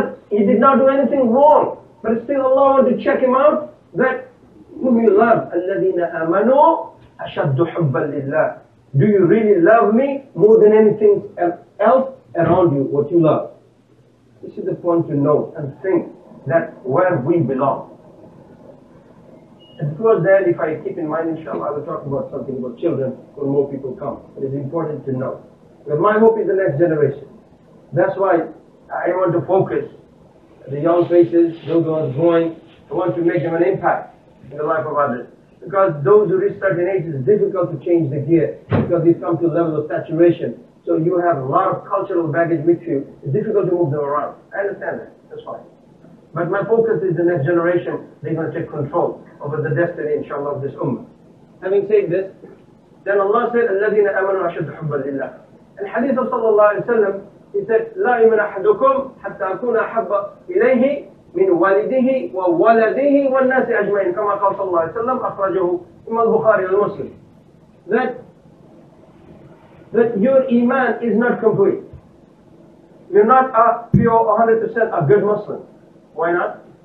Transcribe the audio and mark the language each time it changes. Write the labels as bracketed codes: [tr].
[en] He did not do anything wrong. But still Allah wants to check him out. That whom you love, [ar] الَّذِينَ آمَنُوا أَشَدُّ حُبَّا لِلَّهِ. [en] Do you really love me more than anything else around you, what you love? This is the point to know and think that where we belong. And before that, if I keep in mind, inshallah, I will talk about something about children when more people come. It is important to know. But my hope is the next generation. That's why I want to focus the young faces, those who are growing. I want to make them an impact in the life of others. Because those who reach certain age, it's difficult to change the gear because you've come to a level of saturation. So you have a lot of cultural baggage with you. It's difficult to move them around. I understand that. That's fine. But my focus is the next generation. They're going to take control over the destiny, inshallah, of this ummah. Having said this, [ar] لأن الناصر الذين آمنوا أشد حبا لله. الحديث صلى الله عليه وسلم يقول لا يؤمن أحدكم حتى أكون أحب إليه من والده وولده والناس أجمعين، كما قال صلى الله عليه وسلم، أخرجه إما البخاري ومسلم. [en] That your iman is not complete. You're not a pure 100% a good Muslim. Why not?